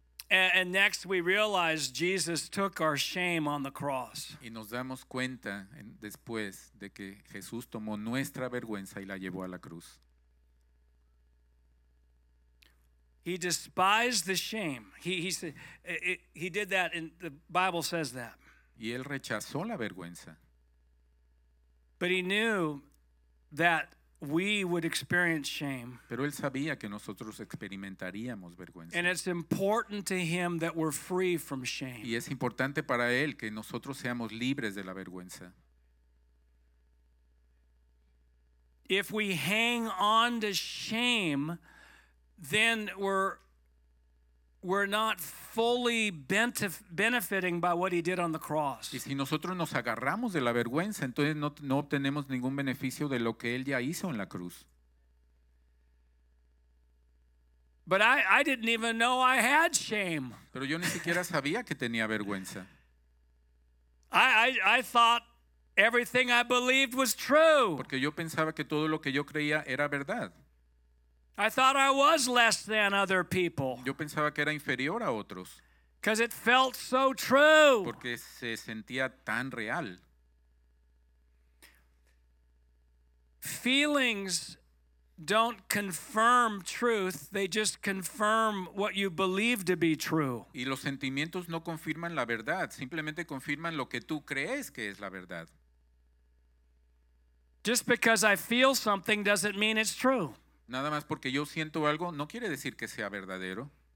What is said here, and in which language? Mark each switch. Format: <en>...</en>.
<en>And next we realize Jesus took our shame on the cross.</en> <es>Y nos damos cuenta después de que Jesús tomó nuestra vergüenza y la llevó a la cruz.</es> <en>He despised the shame. He did that, and the Bible says that.</en> <es>Y él rechazó la vergüenza.</es> <en>But he knew that we would experience shame.</en> <es>Pero él sabía que nosotros experimentaríamos vergüenza.</es> <en>And it's important to him that we're free from shame.</en> <es>Y es importante para él que nosotros seamos libres de la vergüenza.</es> <en>If we hang on to shame, then we're not fully benefiting by what he did on the cross.</en> <es>Y si nosotros nos agarramos de la vergüenza, entonces no obtenemos ningún beneficio de lo que él ya hizo en la cruz.</es> <en>But I didn't even know I had shame.</en> <es>Pero yo ni siquiera sabía que tenía vergüenza.</es> <en>I thought everything I believed was true.</en> <es>Porque yo pensaba que todo lo que yo creía era verdad.</es> <en>I thought I was less than other people.</en> <es>Yo pensaba que era inferior a otros.</es> <en>Because it felt so true.</en> <es>Porque se sentía tan real.</es> <en>Feelings don't confirm truth, they just confirm what you believe to be true.</en> <es>Y los sentimientos no confirman la verdad, simplemente confirman lo que tú crees que es la verdad.</es> <en>Just because I feel something doesn't mean it's true.</en> <es>Nada más porque yo siento algo no quiere decir que sea verdadero.</es>